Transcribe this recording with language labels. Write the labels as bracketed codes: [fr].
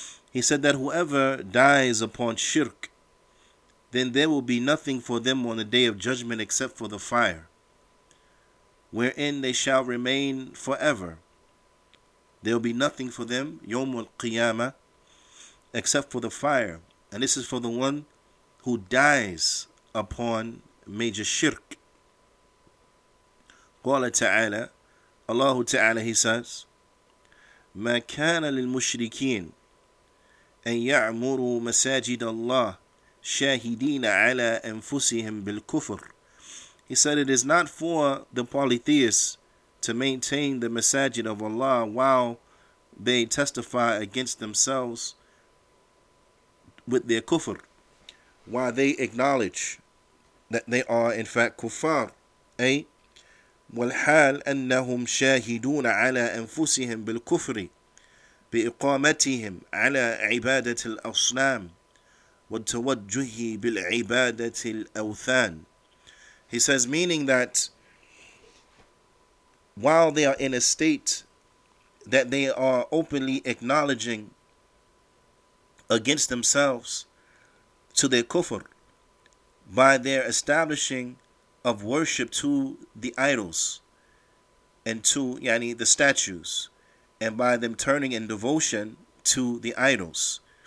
[en] He said that whoever dies upon shirk, then there will be nothing for them on the day of judgment except for the fire, wherein they shall remain forever. There will be nothing for them, [ar] يوم القيامة, [en] except for the fire. And this is for the one who dies upon major shirk. [ar] قال تعالى, الله تعالى, [en] he says, [ar] ما كان للمشركين أن يعمروا مساجد الله شاهدين على أنفسهم بالكفر. [en] He said, it is not for the polytheists to maintain the masajid of Allah while they testify against themselves with their kufr, while they acknowledge that they are in fact kuffar. [ar] والحال أنهم شاهدون على أنفسهم بالكفر بإقامتهم على عبادة الأصنام والتوجه بالعبادة الأوثان. [en] He says, meaning that while they are in a state that they are openly acknowledging against themselves to their kufr, by their establishing of worship to the idols and to yani the statues, and by them turning in devotion to the idols.